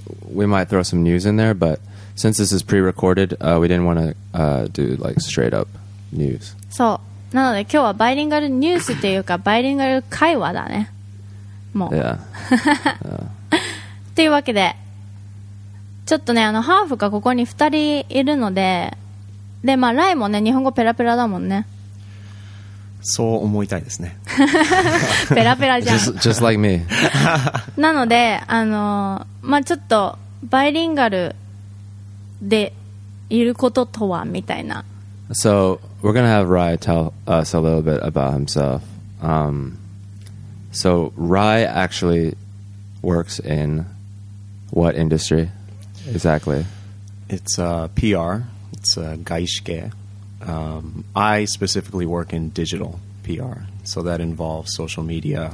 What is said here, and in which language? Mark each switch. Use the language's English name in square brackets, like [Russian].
[English] We might throw some news in there, but since this is pre-recorded, we didn't want to do like straight up news. So, [Japanese] なので今日はバイリンガルニュースっていうかバイリンガル会話だね。もう。 [English] Yeah. [Japanese] っていうわけで、ちょっとね、あのハーフがここに2人いるので、でまあライもね日本語ペラペラだもんね。そう思いたいですね。ペラペラじゃん。 [English] Just like me. [Japanese] なのでまあちょっとバイリンガルでいることとはみたいな。 [English] So we're gonna have Rai tell us a little bit about himself. So Rai actually works in what industry exactly? It's PR. It's gaishike. I specifically work in digital PR, so that involves social media.